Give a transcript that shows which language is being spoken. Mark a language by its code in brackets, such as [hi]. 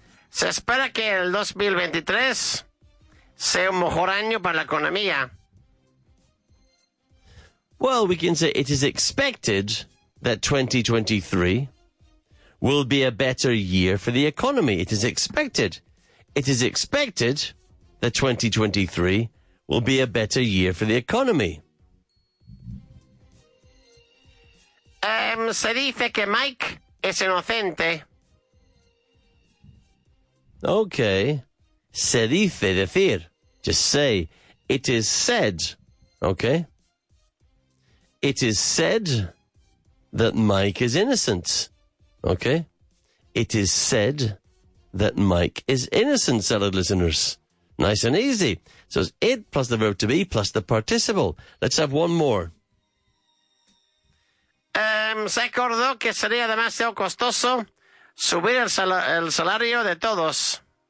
[es] Se espera que el 2023 sea un mejor año para la economía. [en] Well, we can say it is expected that 2023 will be a better year for the economy. It is expected. It is expected that 2023 will be a better year for the economy. [es] Se dice que Mike es inocente. [en] Okay. [es] Se dice decir. [en] Just say. It is said. Okay. It is said that Mike is innocent. Okay. It is said that Mike is innocent, salad listeners. Nice and easy. So it's it plus the verb to be plus the participle. Let's have one more. [es] Se acordó que sería demasiado costoso subir el salario de todos.